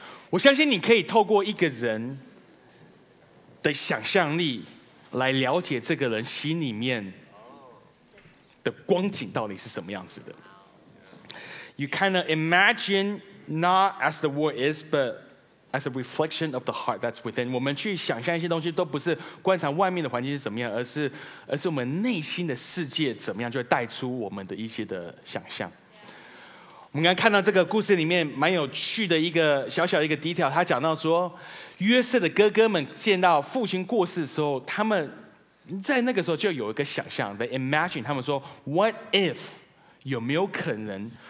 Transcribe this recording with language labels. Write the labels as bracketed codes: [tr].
[zh] 我相信你可以透过一个人的想象力来了解这个人心里面的光景到底是什么样子的。 [en] You kind of imagine not as the world is, but as a reflection of the heart that's within. [zh] 我们去想象一些东西都不是观察外面的环境是怎么样，而是我们内心的世界怎么样，就会带出我们的一些的想象。我们刚看到这个故事里面蛮有趣的一个小小的一个 detail， 他讲到说，约瑟的哥哥们见到父亲过世的时候，他们在那个时候就有一个想象 ， they imagine，他们说 ， what if，有没有可能？